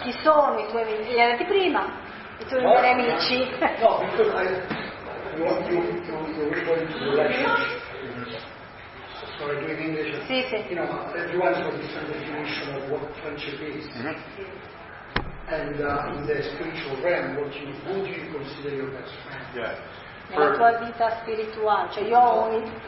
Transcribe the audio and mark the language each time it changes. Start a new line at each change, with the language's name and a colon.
Italian: Chi sono i tuoi migliori? Li avete prima? I tuoi migliori amici?
English: No, because I want you to do it in English.
Italian: Sì, sì.
English: You know, everyone has a different definition of what friendship is. Mm-hmm. And in the spiritual realm, who do you consider your best friend? Yeah.
Italian: Nella tua vita spirituale, cioè io ho un